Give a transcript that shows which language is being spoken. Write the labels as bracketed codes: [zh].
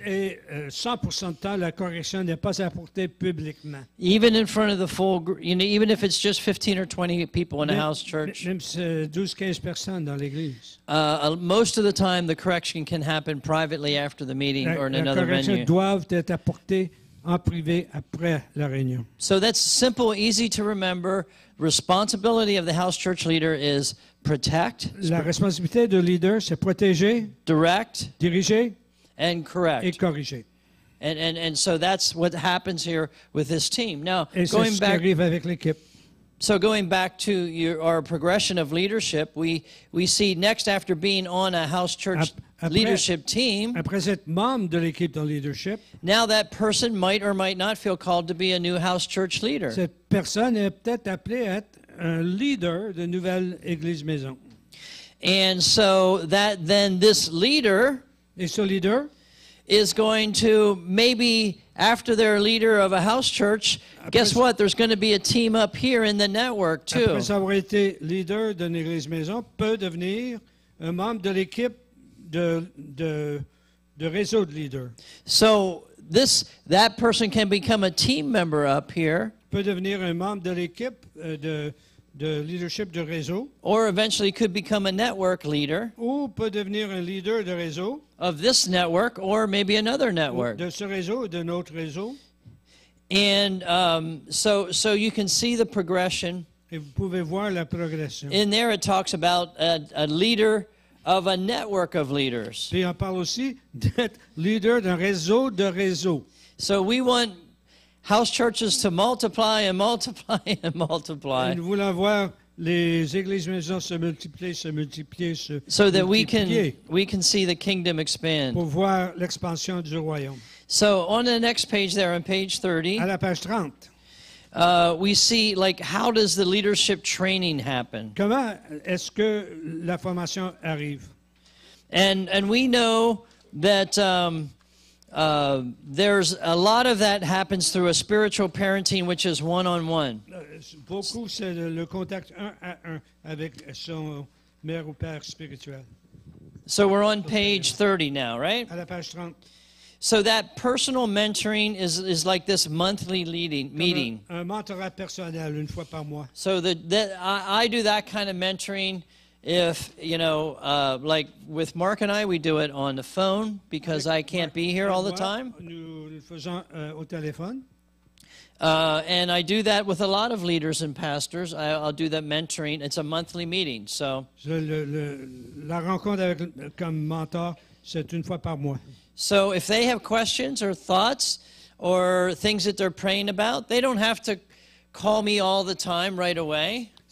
[fr] Et 100% de temps, la correction n'est pas apportée publiquement. [en] Even in front of the full even if it's just 15 or 20 people in a house church. [fr] Même si 12-15 personnes dans l'église. [en] Most of the time, the correction can happen privately after the meeting or in another venue. [fr] La correction doit être apportée en privé après la réunion. [en] So that's simple, easy to remember. Responsibility of the house church leader is protect. [fr] La responsabilité de leader, c'est protéger. [en] Direct. [fr] Diriger. [en] And correct. [fr] Et corriger. [en] And so that's what happens here with this team. Now, [fr] et [en] going [fr] c'est ce [en] back, [fr] qui arrive avec l'équipe. [en] So going back to our progression of leadership, we see next after being on a house church [fr] après, [en] leadership team. [fr] Après être membre de l'équipe de leadership. [en] Now that person might or might not feel called to be a new house church leader. [fr] Cette personne est peut-être appelée à être un leader de nouvelle église maison. [en] And so that then this leader. [fr] Et ce leader. [en] Is going to maybe after they're a leader of a house church, [fr] après, [en] guess what? There's going to be a team up here in the network too. [fr] Après avoir été leader d'une église maison, peut devenir un membre de l'équipe de réseau de leaders. [en] So that person can become a team member up here. [fr] Peut devenir un membre de l'équipe de leadership de réseau. [en] Or eventually could become a network leader. [fr] Ou peut devenir un leader de réseau. [en] Of this network or maybe another network. [fr] De ce réseau ou d'un autre réseau. [en] And so you can see the progression. [fr] Et vous pouvez voir la progression. [en] In there it talks about a leader of a network of leaders. [fr] Puis on parle aussi d'être leader d'un réseau de réseaux. [en] So we want house churches to multiply and multiply and multiply. [fr] Nous voulons voir les églises maisons se multiplier, se multiplier, se multiplier. [en] So that we can see the kingdom expand. [fr] Pour voir l'expansion du royaume. [en] So on the next page there, on page 30. [fr] À la page 30. [en] We see how does the leadership training happen? [fr] Comment est-ce que la formation arrive? [en] And we know that. There's a lot of that happens through a spiritual parenting, which is one-on-one. [fr] Beaucoup c'est le contact un à un avec son mère ou père spirituel. [en] So we're on page 30 now, right? [fr] À la page 30. [en] So that personal mentoring is like this monthly meeting. [fr] Un mentorat personnel une fois par mois. [en] So I do that kind of mentoring if, you know, like with Mark and I, we do it on the phone because I can't be here all the time. [fr] Nous le faisons, au téléphone. [en] And I do that with a lot of leaders and pastors. I'll do that mentoring. It's a monthly meeting. So [fr] la rencontre avec comme mentor, c'est une fois par mois. [en] So if they have questions or thoughts or things that they're praying about, they don't have to call me all the time right away.